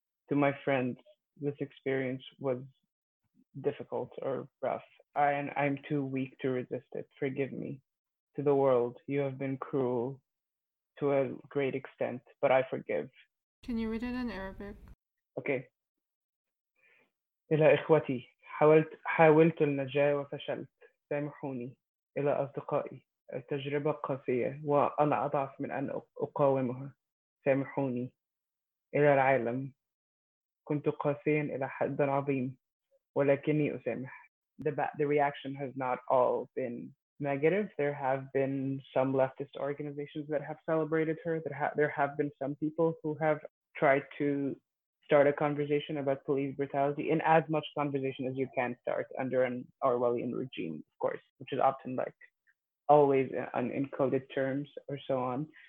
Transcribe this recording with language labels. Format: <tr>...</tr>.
<en>To my friends, this experience was difficult or rough. I'm too weak to resist it. Forgive me. To the world, you have been cruel to a great extent, but I forgive." Can you read it in Arabic? Okay.</en> <ar>إلى إخوتي حاولت النجاة وفشلت سامحوني إلى أصدقائي التجربة قاسية وأنا أضعف من أن أقاومها سامحوني إلى العالم كنت قاسيا إلى حد عظيم ولكني أسامح.</ar> <en>The reaction has not all been negative. There have been some leftist organizations that have celebrated her. There have been some people who have tried to start a conversation about police brutality in as much conversation as you can start under an Orwellian regime, of course, which is often, like, always in coded terms or so on.</en>